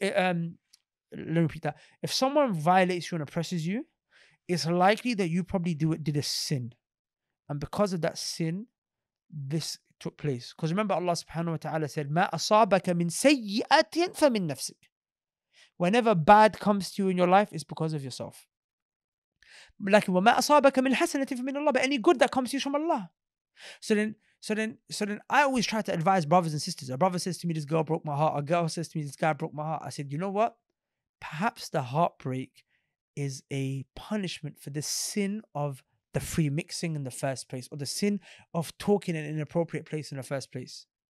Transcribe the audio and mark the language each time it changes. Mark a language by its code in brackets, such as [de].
[en] Let me repeat that. If someone violates you and oppresses you, it's likely that you probably did a sin. And because of that sin, this took place. Because remember, Allah subhanahu wa ta'ala said, [ar] مَا أَصَابَكَ مِنْ سَيِّئَةٍ فَمِنْ نَفْسِكَ. [en] Whenever bad comes to you in your life, it's because of yourself. [ar] Like, وَمَا أَصَابَكَ مِنْ حَسَنَةٍ فَمِنْ اللَّهِ. [en] But any good that comes to you from Allah. So then, I always try to advise brothers and sisters. A brother says to me, this girl broke my heart. A girl says to me, this guy broke my heart. I said, you know what? Perhaps the heartbreak is a punishment for the sin of the free mixing in the first place, or the sin of talking in an inappropriate place in the first place.